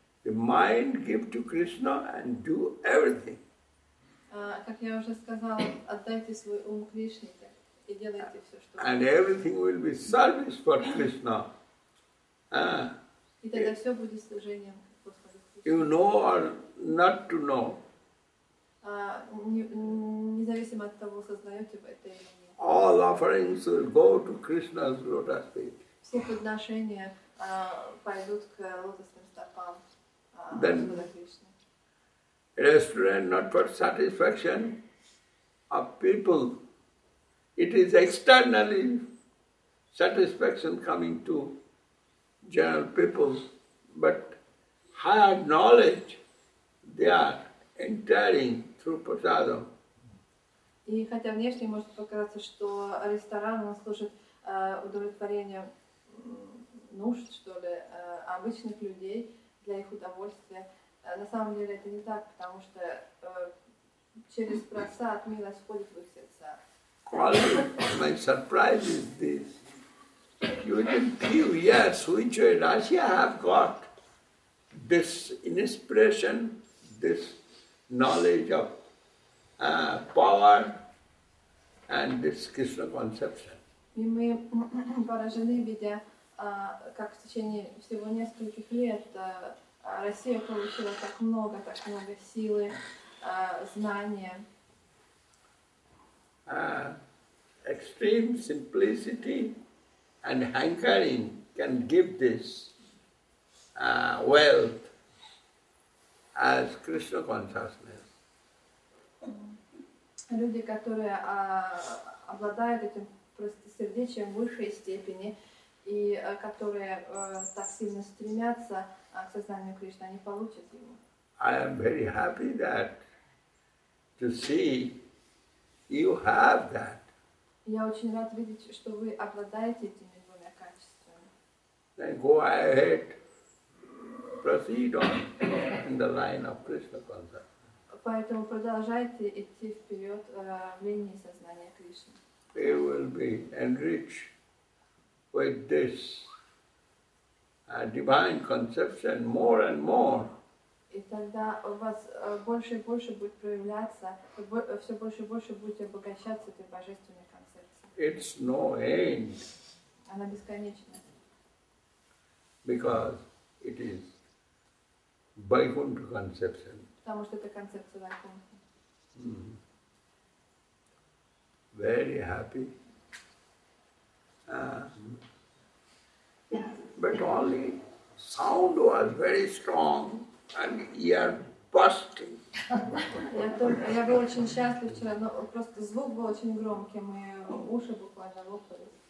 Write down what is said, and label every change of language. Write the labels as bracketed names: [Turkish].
[English] The mind give to Krishna and do everything. [Russian] Как я уже сказал, отдайте свой ум Кришне и делайте все, что вы хотите. [English] And everything will be service for Krishna. [Russian] И тогда все будет служением. [English] You know or not to know. [Russian] Независимо от того, сознаете вы это или нет. [English] All offerings will go to Krishna's lotus feet. [Russian] Все подношения пойдут к лотосным стопам. [English] Then restaurant not for satisfaction of people. It is externally satisfaction coming to general people, but higher knowledge they are entering through prasadam. [Russian] И хотя внешне может показаться, что ресторан он служит удовлетворению нужд, что ли, обычных людей для их удовольствия, на самом деле это не так, потому что через прасад милость входит в их сердца. [English] My surprise is this. Even few years which Russia have got this inspiration, this knowledge of power and this Krishna conception. [Russian] И мы поражены, видя, как в течение всего нескольких лет Россия получила так много силы, знания. [English] Extreme simplicity and hankering can give this wealth as Krishna consciousness. [Russian] Люди, которые обладают этим простосердечием высшей степени и которые так сильно стремятся к сознанию Кришны, они получат его. [English] I am very happy that to see you have that. [Russian] Я очень рад видеть, что вы обладаете этими двумя качествами. [English] Then go ahead. Proceed on in the line of Krishna consciousness. [Russian] Поэтому продолжайте идти вперед в линии сознания Кришны. [English] You will be enriched with this divine conception more and more. [Russian] И тогда у вас больше и больше будет проявляться, все больше и больше будете обогащаться этой божественной концепцией. [English] It's no end. [Russian] Она бесконечна. [English] Because it is Vaikuntha conception. [Russian] Потому что это концепция Вайкунтха. [English] Very happy. But only sound was very strong and ear bursting. [Russian] Я был очень счастлив вчера, но просто звук был очень громким, и уши буквально лопались.